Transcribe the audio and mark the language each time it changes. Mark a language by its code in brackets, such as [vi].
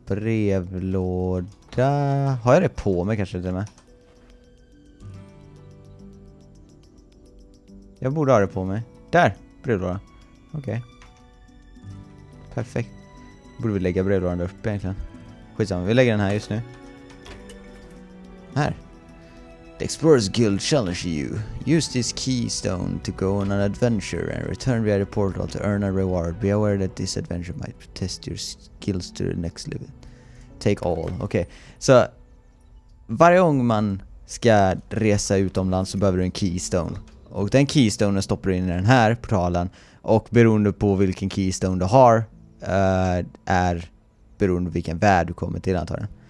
[sv] Brevlåda. Har jag det på mig kanske till och med? Jag borde ha det på mig. Där! Brevlåda. Okej. Perfekt. Borde vi lägga brevlådan där uppe egentligen. Skitsamma, vi lägger den här just nu. Här. [en] The Explorers Guild challenge you. Use this keystone to go on an adventure and return via the portal to earn a reward. Be aware that this adventure might test your skills to the next level. Take all. [sv] Okej, okay. Så varje gång man ska resa utomlands så behöver du en keystone. Och den keystone stoppar du in i den här portalen. Och beroende på vilken keystone du har är beroende på vilken värld du kommer till, antar jag.